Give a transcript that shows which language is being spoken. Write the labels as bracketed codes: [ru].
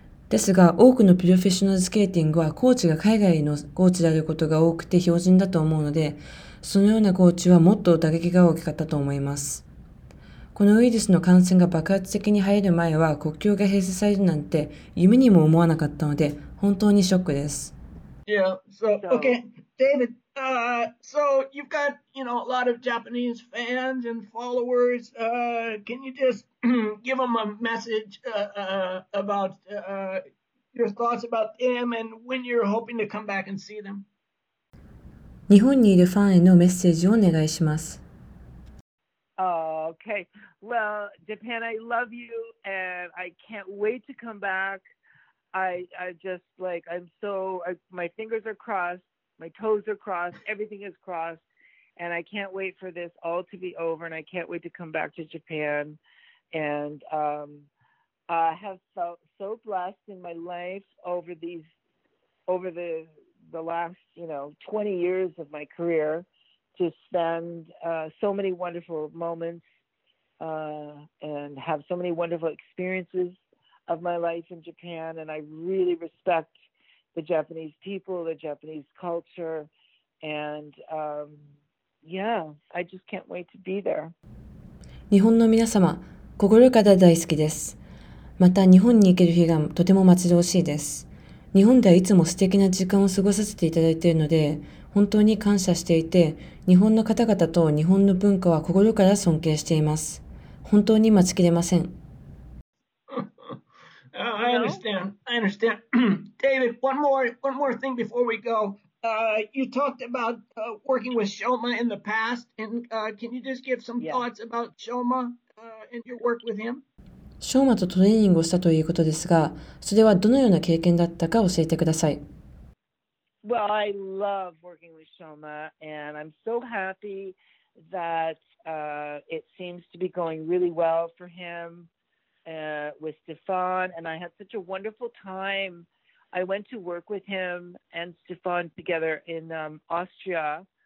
[ja] ですが、多くのプロフェッショナルスケーティングはコーチが海外のコーチであることが多くて標準だと思うので、そのようなコーチはもっと打撃が大きかったと思います。このウイルスの感染が爆発的に入る前は、国境が閉鎖されるなんて夢にも思わなかったので、本当にショックです。 [en] Yeah, so, okay, David, so you've got, you know, a lot of Japanese fans and followers. Can you just give them a message about your thoughts about them and when you're hoping to come back and see them? [ja] 日本にいるファンへのメッセージをお願いします。 [en] Okay. Well, Japan, I love you, and I can't wait to come back. My fingers are crossed, my toes are crossed, everything is crossed, and I can't wait for this all to be over, and I can't wait to come back to Japan. And I have felt so blessed in my life over the last, you know, 20 years of my career, to spend so many wonderful moments and have so many wonderful experiences. of my life in Japan, and I really respect the Japanese people, the Japanese culture, and I just can't wait to be there. [ja] 日本の皆様、心から大好きです。また日本に行ける日がとても待ち遠しいです。日本ではいつも素敵な時間を過ごさせていただいているので、本当に感謝していて、日本の方々と日本の文化は心から尊敬しています。本当に待ちきれません。 [en] I understand. I understand. David, one more thing before we go. You talked about working with Shoma in the past, and can you just give some thoughts about Shoma and your work with him? [ja] Shoma とトレーニングをしたということですが、それはどのような経験だったか教えてください。 [en] Well, I love working with Shoma, and I'm so happy that it seems to be going really well for him. With Stefan, and I had such a wonderful time. I went to work with him and Stefan together in Austria.